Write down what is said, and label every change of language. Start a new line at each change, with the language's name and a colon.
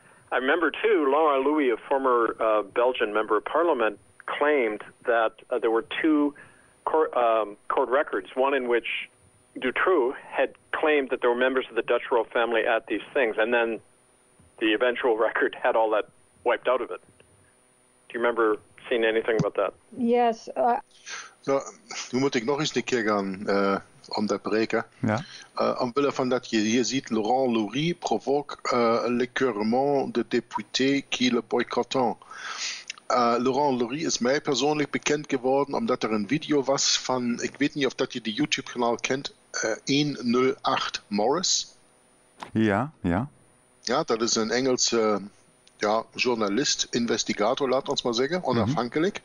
English: I remember too, Laurent Louis, a former Belgian member of parliament, claimed that there were two court records, one in which Dutroux had claimed that there were members of the Dutch royal family at these things, and then the eventual record had all that wiped out of it. Do you remember seeing anything about that? Yes.
Dutch: Nu moet ik nog eens een keer gaan onderbreken. Ja. Omwille van dat je hier ziet,
French: Laurent Louis provoque l'écœurement de député qui le boycottant.
Dutch: Laurent Louis is mij persoonlijk bekend geworden omdat er een video was van, ik weet niet of dat je de YouTube-kanaal kent, 108 Morris. Ja, ja. Ja, dat is een Engelse journalist, investigator, laat ons maar zeggen, onafhankelijk.